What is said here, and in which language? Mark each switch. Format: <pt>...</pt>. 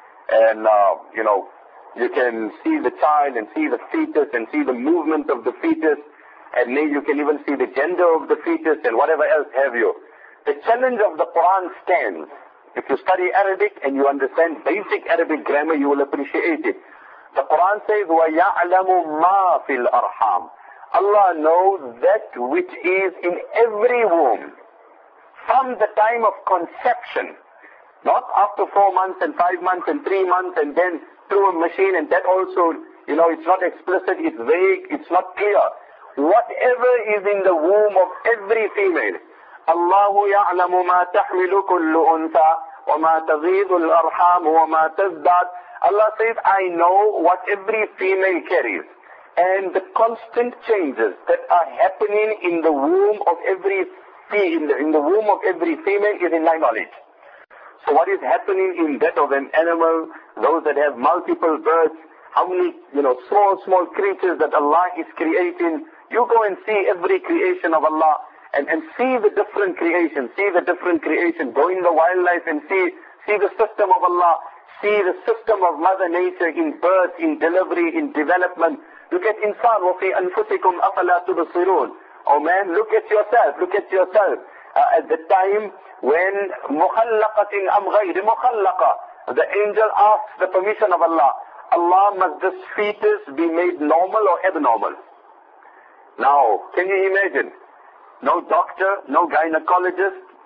<en>And, you know, you can see the child and see the fetus and see the movement of the fetus. And maybe you can even see the gender of the fetus and whatever else have you. The challenge of the Quran stands. If you study Arabic and you understand basic Arabic grammar, you will appreciate it. The Quran says,</en> <ar>وَيَعْلَمُ مَا فِي الْأَرْحَامِ.</ar> <en>Allah knows that which is in every womb. From the time of conception. Not after 4 months and 5 months and 3 months and then through a machine, and that also, you know, it's not explicit, it's vague, it's not clear. Whatever is in the womb of every female,</en> <ar>الله يعلم ما تحمل كل أنثى وما تزيد الأرحام وما تزداد.</ar> <en>Allah says, I know what every female carries and the constant changes that are happening in the womb of every female is in my knowledge. So what is happening in that of an animal, those that have multiple births, how many, you know, small creatures that Allah is creating. You go and see every creation of Allah. And see the different creation, go in the wildlife and see the system of Allah, see the system of Mother Nature in birth, in delivery, in development. Look at insan,</en> <ar>وَفِي أَنفُسِكُمْ أَفَلَا تُبَصِرُونَ.</ar> <en>Oh man, look at yourself. At the time when</en> <ar>مُخَلَّقَةٍ أَمْ غَيْرِ مُخَلَّقَةٍ,</ar> <en>the angel asks the permission of Allah, Allah, must this fetus be made normal or abnormal? Now, can you imagine? No doctor, no gynecologist.</en>